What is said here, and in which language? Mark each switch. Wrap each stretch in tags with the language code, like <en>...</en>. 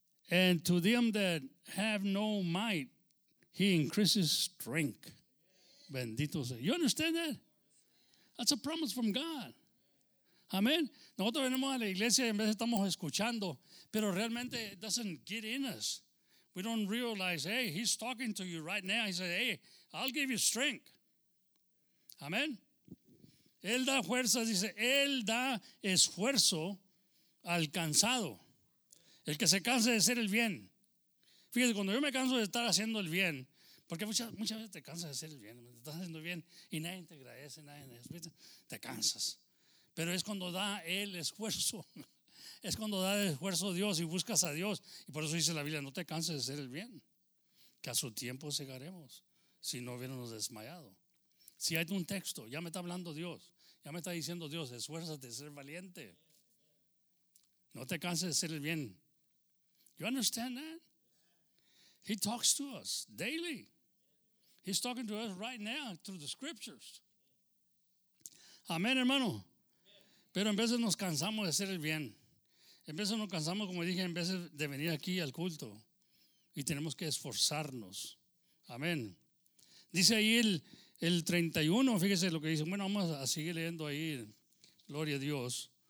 <en>And to them that have no might, He increases strength.</en> <es>Bendito sea.</es> <en>You understand that? That's a promise from God.</en> <es>Amén. Nosotros venimos a la iglesia y en vez estamos escuchando, pero realmente</es> <en>it doesn't get in us. We don't realize, hey, He's talking to you right now. He said, hey, I'll give you strength.</en> <es>Amén. Él da fuerza, dice, Él da esfuerzo al cansado. El que se canse de hacer el bien. Fíjate, cuando yo me canso de estar haciendo el bien, porque muchas veces te cansas de hacer el bien, estás haciendo bien y nadie te agradece, nadie te agradece, te cansas. Pero es cuando da el esfuerzo. Es cuando da el esfuerzo a Dios y buscas a Dios. Y por eso dice la Biblia, no te canses de hacer el bien, que a su tiempo segaremos si no hubiéramos desmayado. Si hay un texto, ya me está hablando Dios, ya me está diciendo Dios, esfuérzate, ser valiente. No te canses de hacer el bien.</es> <en>You understand that? He talks to us daily. He's talking to us right now through the scriptures.</en> <es>Amén, hermano. Pero en veces nos cansamos de hacer el bien. En veces nos cansamos, como dije, en veces de venir aquí al culto. Y tenemos que esforzarnos. Amén. Dice ahí el 31, fíjese lo que dice. Bueno, vamos a seguir leyendo ahí. Gloria a Dios.</es>